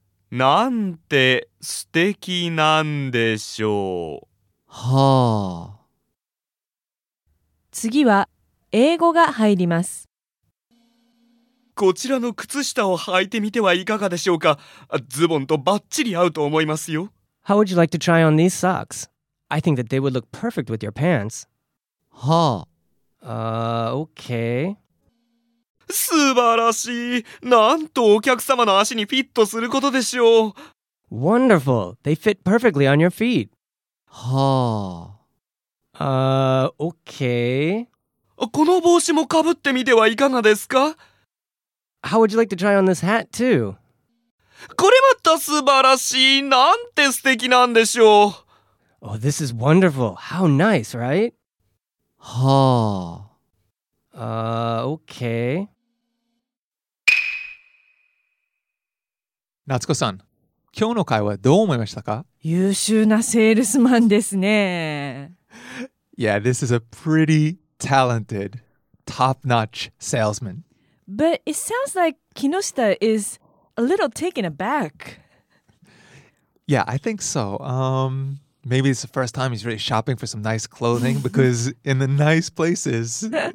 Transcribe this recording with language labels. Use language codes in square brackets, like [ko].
[ja] なんて素敵なんでしょう。はあ。次は英語が入ります。こちらの靴下を履いてみてはいかがでしょうか。ズボンとバッチリ合うと思いますよ。 [en] How would you like to try on these socks? I think that they would look perfect with your pants. [ja] はあ。 [en] Okay. [ja] 素晴らしい。なんとお客様の足にフィットすることでしょう。 [en] Wonderful. They fit perfectly on your feet. [ja] はあ。 [en] Okay. [ja] この帽子もかぶってみてはいかがですか? [en] How would you like to try on this hat too? [ja] これまた素晴らしい。なんて素敵なんでしょう。 [en] Oh, this is wonderful. How nice, right? [ja] はあ。 [en] Okay. [ja] 夏子さん、今日の会話どう思いましたか？優秀なセールスマンですね。 [en] Yeah, this is a pretty talented, top-notch salesman. But it sounds like Kinoshita is... A little taken aback. Yeah, I think so. Maybe it's the first time he's really shopping for some nice clothing because in the nice places.